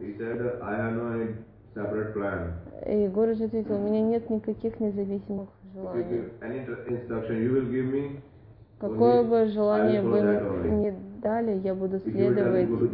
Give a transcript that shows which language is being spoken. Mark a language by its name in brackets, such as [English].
[English] He said, I have no separate plan. [Russian] И Гуруджи ответил, у меня нет никаких независимых желаний. [English] If you give any instruction you will give me, [Russian] какое бы желание вы мне дали, я буду следовать.